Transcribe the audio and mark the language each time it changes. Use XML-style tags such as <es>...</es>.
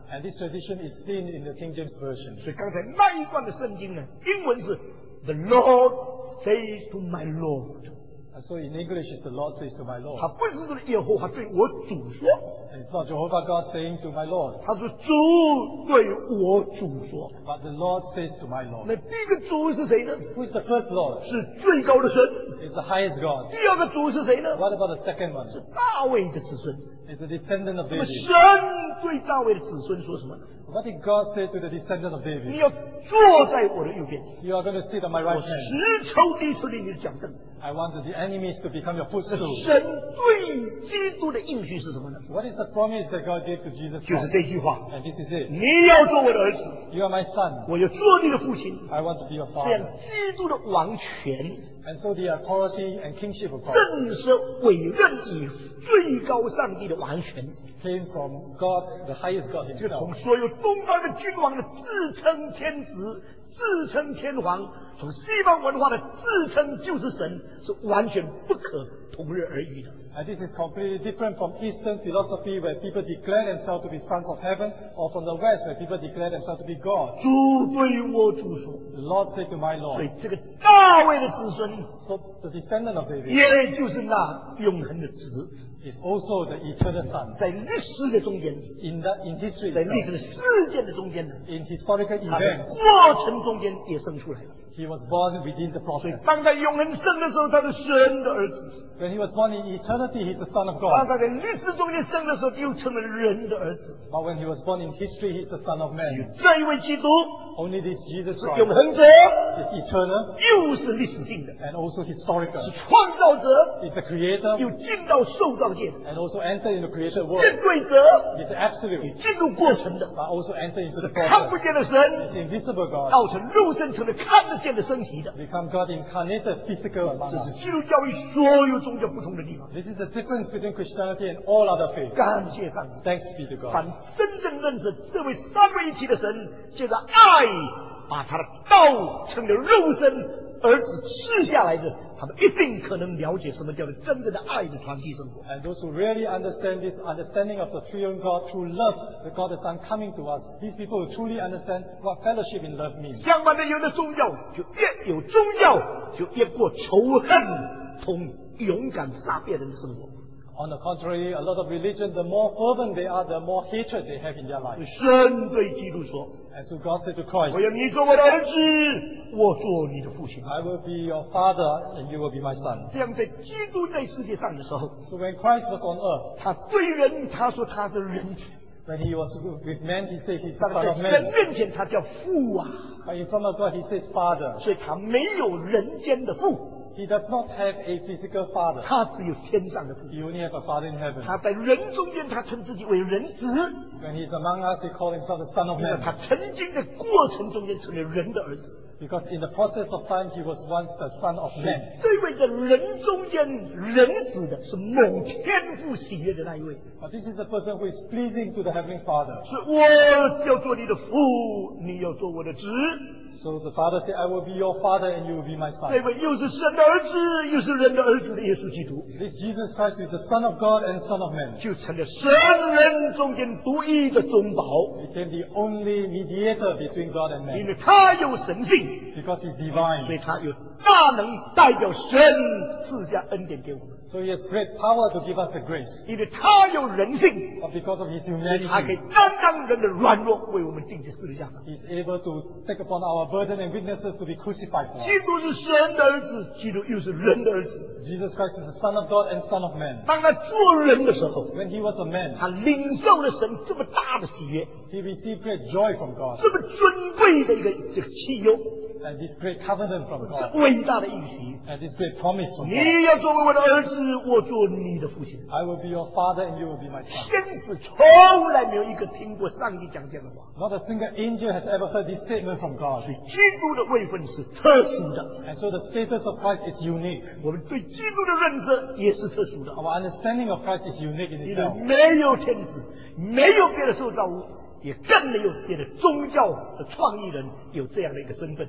<en>And this tradition is seen in the King James Version.</en> <zh>所以刚才那一段的圣经呢，英文是</zh> <en>The Lord says to my Lord. So in English is the Lord says to my Lord.</en> <zh>他不是说耶和华对我主说</zh> <en>And it's not Jehovah God saying to my Lord.</en> <zh>他说主对我主说</zh> <en>But the Lord says to my Lord.</en> <zh>那第一个主是谁呢？</zh> <en>Who is the first Lord?</en> <zh>是最高的神。</zh> <en>Is the highest God.</en> <zh>第二个主是谁呢？</zh> <en>What about the second one?</en> <zh>是大卫的子孙。</zh> <en>Is the descendant of David.</en> <zh>那么神对大卫的子孙说什么呢？</zh> <en>What did God say to the descendant of David?</en> <zh>你要坐在我的右边。</zh> <en>You are going to sit on my right hand.</en> <zh>我十仇敌是你的脚凳。</zh> <en>I want the enemies to become your footstool.</en> <zh>神对基督的应许是什么呢？</zh> <en>What is the promise that God gave to Jesus Christ?</en> <zh>就是这句话。</zh> <en>And this is it.</en> <zh>你要做我的儿子。</zh> <en>You are my son.</en> <zh>我要做你的父亲。</zh> <en>I want to be your father.</en> <zh>这样基督的王权。</zh> <en>And so the authority and kingship of God.</en> <zh>正是委任以最高上帝的王权。</zh> <en>Came from God, the highest God himself.</en> <zh>就从所有东方的君王的自称天子、自称天皇，从西方文化的自称就是神，是完全不可同日而语的。</zh> <en>And this is completely different from Eastern philosophy where people declare themselves to be sons of heaven or from the West where people declare themselves to be God.</en> <zh>主对我主说</zh> <en>The Lord said to my Lord.</en> <zh>所以这个大卫的子孙</zh> <en>So the descendant of David.</en> <zh>也就是那永恒的子</zh> <en>is also the eternal son.</en> <zh>在历史的中间</zh> <en>in history</en> <zh>在历史的事件的中间</zh> <en>in historical events.</en> <zh>他在过程中间也生出来</zh> <en>He was born within the process.</en> <zh>所以当他永恒生的时候他是神的儿子</zh> <en>When he was born in eternity, he's the son of God.</en> <zh>当他在历史中间生的时候，又成了人的儿子。</zh> <en>But when he was born in history, he's the son of man.</en> <zh>这一位基督</zh> <en>，Only this Jesus Christ.</en> <zh>是永恒者</zh> <en>，is eternal.</en> <zh>又是历史性的</zh> <en>，and also historical.</en> <zh>是创造者</zh> <en>，is the creator.</en> <zh>又进到受造界</zh> <en>，and also enter into created world.</en> <zh>是见证者</zh> <en>，is the absolute.</en> <zh>也进入过程的</zh> <en>，but also enter into the</en> <zh>process. 看不见的神</zh> <en>，is invisible God.</en> <zh>道成肉身，成了看得见的身体的</zh> <en>，become God incarnated physical.</en> <zh>这是基督教义所有。宗教不同的地方。</zh> <en>This is the difference between Christianity and all other faith.</en> <zh>感谢上帝。</zh> <en>Thanks be to God.</en> <zh>凡真正认识这位三位一体的神，借着爱把他的道成了肉身，儿子赐下来的，他们一定可能了解什么叫做真正的爱的传递生活。</zh> <en>And those who really understand this understanding of the triune God through love, the God the Son coming to us, these people will truly understand what fellowship in love means.</en> <zh>相反的，有了宗教，就越有宗教，就越过仇恨痛。勇敢杀别人的生活。</zh> <en>On the contrary, a lot of religion, the more fervent they are, the more hatred they have in their life.</en> <zh>神对基督说</zh> <en>，As God said to Christ,</en> <zh>我要你做我的儿子，我做你的父亲。</zh> <en>I will be your father, and you will be my son.</en> <zh>这样在基督在世界上的时候</zh> <en>，So when Christ was on earth,</en> <zh>他对人他说他是人子。</zh> <en>When he was with man, he said he's the son of man.</en> <zh>在神面前他叫父啊。</zh> <en>But in front of God, he says father.</en> <zh>所以他没有人间的父。</zh> <en>He does not have a physical father.</en> <zh>他只有天上的父。</zh> <en>He only have a father in heaven.</en> <zh>他在人中间，他称自己为人子。</zh> <en>When he's among us, he calls himself the son of man.</en> <zh>他曾经的过程中间成了人的儿子。</zh> <en>Because in the process of time, he was once the son of man.</en> <zh>这位在人中间人子的是蒙天父喜悦的那一位。</zh> <en>But this is the person who is pleasing to the heavenly father.</en> <zh>是我要做你的父，你要做我的子。</zh> <en>So the father said, I will be your father and you will be my son.</en> <zh>这位又是神的儿子，又是人的儿子的耶稣基督。</zh> <en>This Jesus Christ is the son of God and son of man.</en> <zh>就成了神人中间独一的中保。</zh> <en>Became the only mediator between God and man.</en> <zh>因为他有神性。</zh> <en>Because he's divine.</en> <zh>所以他有大能代表神赐下恩典给我们。</zh> <en>So he has great power to give us the grace.</en> <zh>因为他有人性。</zh> <en>But because of his humanity.</en> <zh>他可以担当人的软弱为我们钉在十字架。</zh> <en>He's able to take upon our burden and weaknesses to be crucified for us.</en> <zh>基督是神的儿子，基督又是人的儿子。</zh> <en>Jesus Christ is the Son of God and Son of Man.</en> <zh>当他做人的时候。</zh> <en>When he was a man.</en> <zh>他领受了神这么大的喜悦。</zh> <en>He received great joy from God.</en> <zh>这么尊贵的一个这个契约。</zh> <en>And this great covenant from God.</en> <zh>这伟大的应许。</zh> <en>And this great promise from God.</en> <zh>你要做我的儿子，我做你的父亲。</zh> <en>I will be your father, and you will be my son.</en> <zh>天使从来没有一个听过上帝讲这样的话。</zh> <en>Not a single angel has ever heard this statement from God.</en> <zh>所以基督的位分是特殊的。</zh> <en>And so the status of Christ is unique.</en> <zh>我们对基督的认识也是特殊的。</zh> <en>Our understanding of Christ is unique in itself.</en> <zh>因为没有天使，没有别的受造物。也更没有别的宗教的创意人有这样的一个身份。</zh>